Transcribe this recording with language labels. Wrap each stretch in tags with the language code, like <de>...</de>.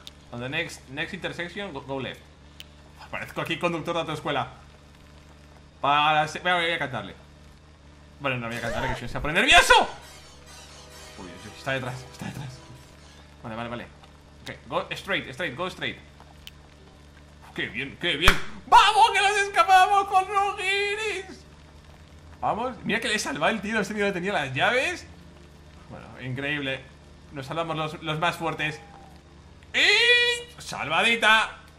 <en>On the next intersection, go left.</en> <es>Parezco aquí conductor de autoescuela. Para... Bueno, voy a cantarle. Bueno, no voy a cantarle, que si no se va a poner nervioso. Uy, está detrás. Vale.</es> <en>Ok, go straight, go straight.</en> <es>Qué bien. ¡Vamos, que nos escapamos con Rugiris! Vamos, mira que le salvó el tío, ese tío que tenía las llaves. Bueno, increíble. Nos salvamos los más fuertes. Y... ¡salvadita!</es>